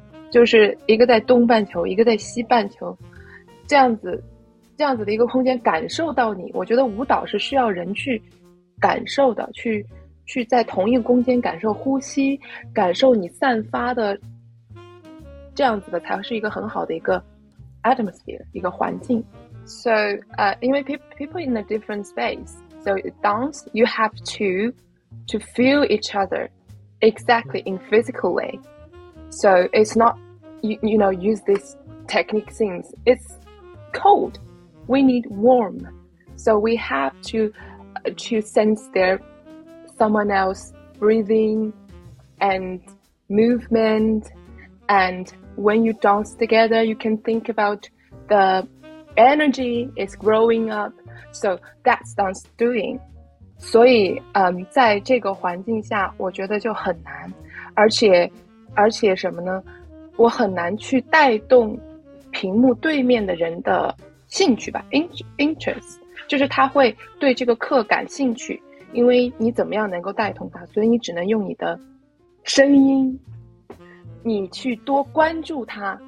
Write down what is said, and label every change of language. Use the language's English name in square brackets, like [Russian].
[Chinese] 就是一个在东半球，一个在西半球，这样子的一个空间感受到你，我觉得舞蹈是需要人去感受的，去在同一个空间感受呼吸，感受你散发的，这样子的才是一个很好的一个 atmosphere， 一个环境。 [English] So, in my people in a different space, so dance, you have to feel each other exactly in physical way. So it's not, you know, use these technique things. It's cold. We need warm. So we have to sense their someone else breathing and movement. And when you dance together, you can think about the energy is growing up. So that's dance doing. [Chinese] 所以在这个环境下我觉得就很难，而且什么呢，我很难去带动屏幕对面的人的兴趣吧， interest， 就是他会对这个课感兴趣，因为你怎么样能够带动他，所以你只能用你的声音，你去多关注他。